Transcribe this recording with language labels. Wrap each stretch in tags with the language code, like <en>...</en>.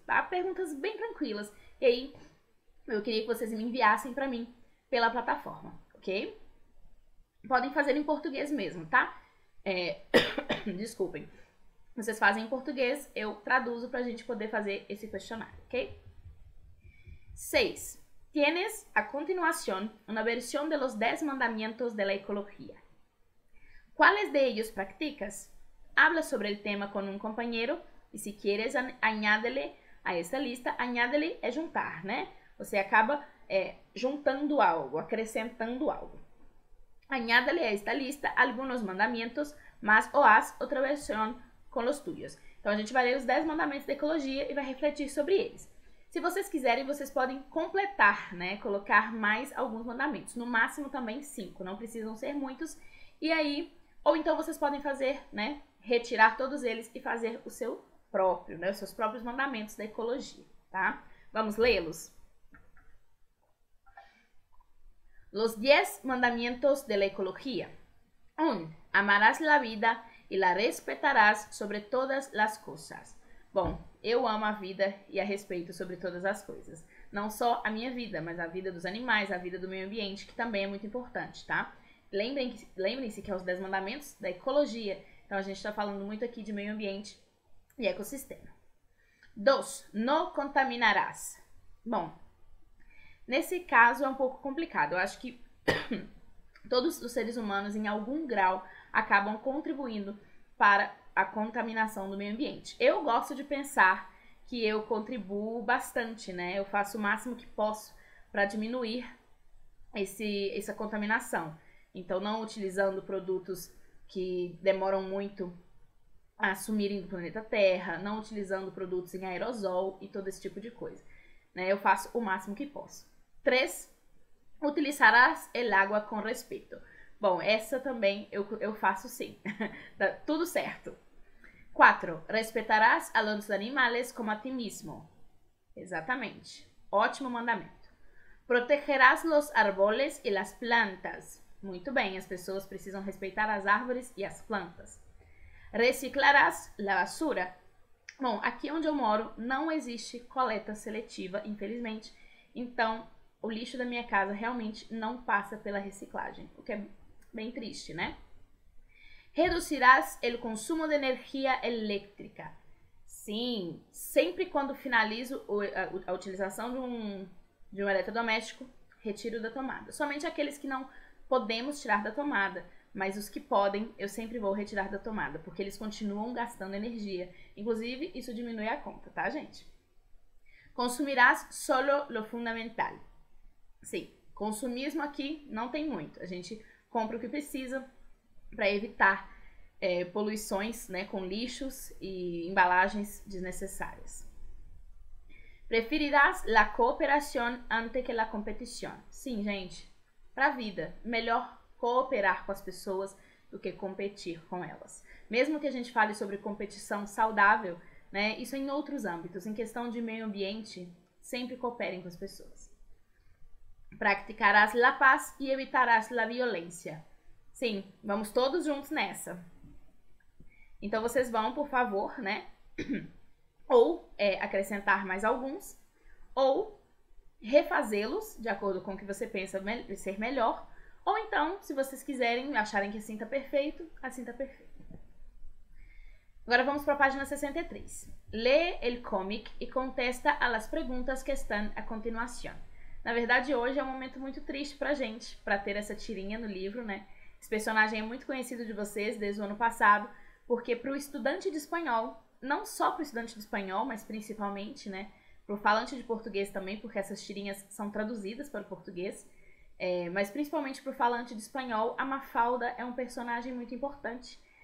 <pt>Há perguntas bem tranquilas. E aí, eu queria que vocês me enviassem para mim pela plataforma, ok? Podem fazer em português mesmo, tá? desculpem. Vocês fazem em português, eu traduzo para a gente poder fazer esse questionário, ok? 6.</pt> <es>Tienes a continuación una versión de los 10 mandamientos de la ecología. ¿Cuáles de ellos practicas? Habla sobre el tema con un compañero y si quieres, añádele a esta lista. Añádele es juntar, ¿no?</es> <pt>Você acaba juntando algo, acrescentando algo.</pt> <es>Añádele a esta lista algunos mandamientos más o haz otra versión con los tuyos.</es> <pt>Então, a gente vai ler os 10 mandamentos da ecologia e vai refletir sobre eles. Se vocês quiserem, vocês podem completar, né? Colocar mais alguns mandamentos. No máximo também 5, não precisam ser muitos. E aí, ou então vocês podem fazer, né? Retirar todos eles e fazer o seu próprio, né? Os seus próprios mandamentos da ecologia, tá? Vamos lê-los?</pt> <es>Los 10 mandamientos de la ecología. 1. Amarás la vida y la respetarás sobre todas las cosas.</es> <pt>Bom, eu amo a vida e a respeito sobre todas as coisas. Não só a minha vida, mas a vida dos animais, a vida do meio ambiente, que também é muito importante, tá? Lembrem-se que é os 10 mandamentos da ecologia. Então, a gente está falando muito aqui de meio ambiente e ecossistema. 2. Não contaminarás. Bom, nesse caso é um pouco complicado. Eu acho que todos os seres humanos, em algum grau, acabam contribuindo para a contaminação do meio ambiente. Eu gosto de pensar que eu contribuo bastante, né? Eu faço o máximo que posso para diminuir essa contaminação. Então, não utilizando produtos que demoram muito a sumirem do planeta Terra, não utilizando produtos em aerossol e todo esse tipo de coisa, né? Eu faço o máximo que posso. 3.</pt> <es>Utilizarás el agua con respeto.</es> <pt>Bom, essa também eu faço sim. Tá tudo certo. 4.</pt> <es>Respetarás a los animales como a ti mismo.</es> <pt>Exatamente. Ótimo mandamento.</pt> <es>Protegerás los árboles y las plantas.</es> <pt>Muito bem, as pessoas precisam respeitar as árvores e as plantas.</pt> <es>Reciclarás la basura.</es> <pt>Bom, aqui onde eu moro não existe coleta seletiva, infelizmente. Então, o lixo da minha casa realmente não passa pela reciclagem, o que é bem triste, né?</pt> <es>Reduzirás el consumo de energia eléctrica.</es> <pt>Sim, sempre quando finalizo a utilização de um eletrodoméstico, retiro da tomada. Somente aqueles que não podemos tirar da tomada, mas os que podem, eu sempre vou retirar da tomada, porque eles continuam gastando energia. Inclusive, isso diminui a conta, tá, gente?</pt> <es>Consumirás solo lo fundamental.</es> <pt>Sim, consumismo aqui não tem muito. A gente compra o que precisa para evitar poluições, né, com lixos e embalagens desnecessárias.</pt> <es>Preferirás la cooperación antes que la competición.</es> <pt>Sim, gente, para a vida, melhor cooperar com as pessoas do que competir com elas. Mesmo que a gente fale sobre competição saudável, né, isso é em outros âmbitos. Em questão de meio ambiente, sempre cooperem com as pessoas.</pt> <es>Praticarás la paz y evitarás la violencia.</es> <pt>Sim, vamos todos juntos nessa. Então vocês vão, por favor, né? Ou acrescentar mais alguns, ou refazê-los de acordo com o que você pensa ser melhor. Ou então, se vocês quiserem, acharem que assim tá perfeito, assim tá perfeito. Agora vamos para a página 63.</pt> <es>Lê el cómic e contesta a las preguntas que están a continuación.</es> <pt>Na verdade, hoje é um momento muito triste pra gente, pra ter essa tirinha no livro, né? Esse personagem é muito conhecido de vocês desde o ano passado, porque pro estudante de espanhol, não só pro estudante de espanhol, mas principalmente, né? Pro falante de português também, porque essas tirinhas são traduzidas para o português, mas principalmente pro falante de espanhol, a Mafalda é um personagem muito importante.</pt>